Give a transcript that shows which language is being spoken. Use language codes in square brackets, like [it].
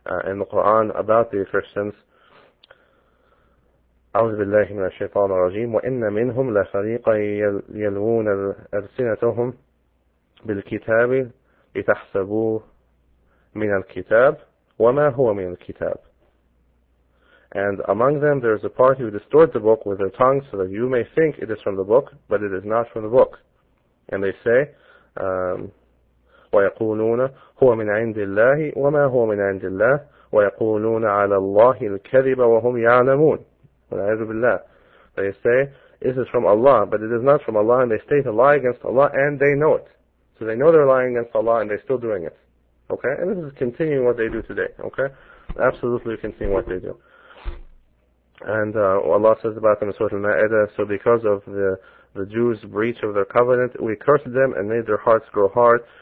[en] in the Qur'an about the Christians, [ar] أعوذ بالله من الشيطان الرجيم وإن منهم لفريق يلوون ألسنتهم بالكتاب لتحسبوه من الكتاب وما هو من الكتاب. [en] And among them there is a party who distort the book with their tongues so that you may think it is from the book, but it is not from the book. And they say, [ar] ويقولون هو من عند الله وما هو من عند الله ويقولون على الله الكذب وهم يعلمون. [en] They say, this is from Allah, but it is not from Allah, and they state a lie against Allah, and they know it. So they know they're lying against Allah, and they're still doing it. Okay? And this is continuing what they do today. Okay? Absolutely continuing what they do. And Allah says about them in Surah Al-Ma'idah, so because of the Jews' breach of their covenant, we cursed them and made their hearts grow hard.